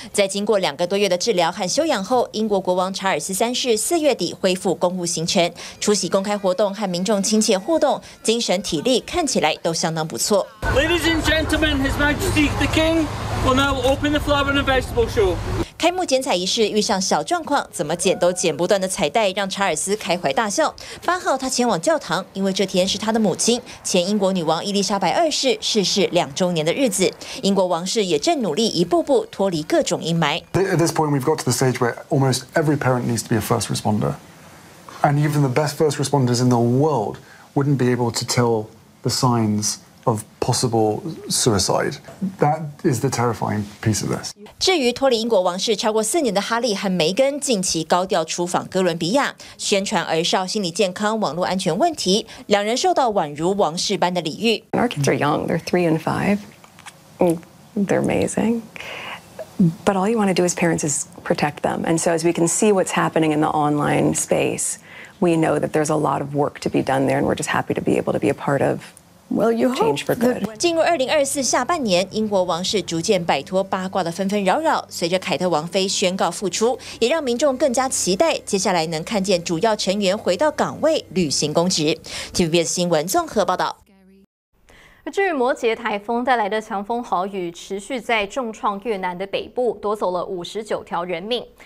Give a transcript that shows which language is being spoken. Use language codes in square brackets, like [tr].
[zh] 在经过两个多月的治疗和休养后，英国国王查尔斯三世四月底恢复公务行程，出席公开活动和民众亲切互动，精神体力看起来都相当不错。 [en] Ladies and gentlemen, His Majesty the King will now open the flower and vegetable show. [zh] 开幕剪彩仪式遇上小状况，怎么剪都剪不断的彩带让查尔斯开怀大笑。八号他前往教堂，因为这天是他的母亲，前英国女王伊丽莎白二世逝世两周年的日子。英国王室也正努力一步步脱离各种阴霾。 [en] At this point, we've got to the stage where almost every parent needs to be a first responder, and even the best first responders in the world wouldn't be able to tell the signs of possible suicide. That is the terrifying piece of this. [zh] 至于脱离英国王室超过四年的哈利和梅根，近期高调出访哥伦比亚，宣传儿少心理健康、网络安全问题，两人受到宛如王室般的礼遇。 [en] Our kids are young. They're 3 and 5. They're amazing. But all you want to do as parents is protect them. And so as we can see what's happening in the online space, we know that there's a lot of work to be done there, and we're just happy to be able to be a part of change for good. [zh] 进入2024下半年，英国王室逐渐摆脱八卦的纷纷扰扰，随着凯特王妃宣告复出，也让民众更加期待接下来能看见主要成员回到岗位履行公职。 TVBS 新闻综合报道。至于摩羯台风带来的强风豪雨持续在重创越南的北部，夺走了59条人命。